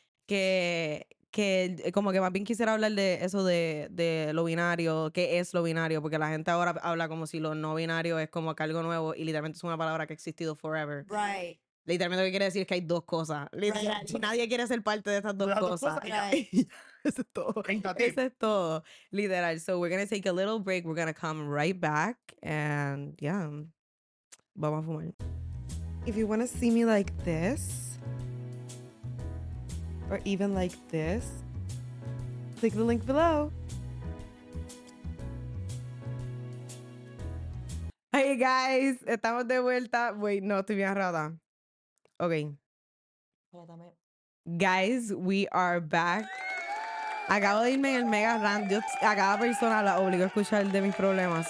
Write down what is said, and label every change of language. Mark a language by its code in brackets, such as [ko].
[es] Que como que más bien quisiera hablar de eso de lo binario. ¿Qué es lo binario? Porque la gente ahora habla como si lo no binario es como que algo nuevo. Y literalmente es una palabra que ha existido forever. Right. Literalmente lo que quiere decir es que hay dos cosas. Literalmente, right. Nadie quiere ser parte de estas dos cosas. Eso es todo. Literal. [en] So we're going to take a little break. We're going to come right back. And yeah. [es] Vamos a fumar. [en] If you want to see me like this, or even like this, click the link below. Hey guys, [es] estamos de vuelta. [en] Wait, no, [es] estoy bien arrada. Okay. [en] Guys, we are back. [es] Acabo de irme en el mega rant. Yo a cada persona la obligo a escuchar de mis problemas.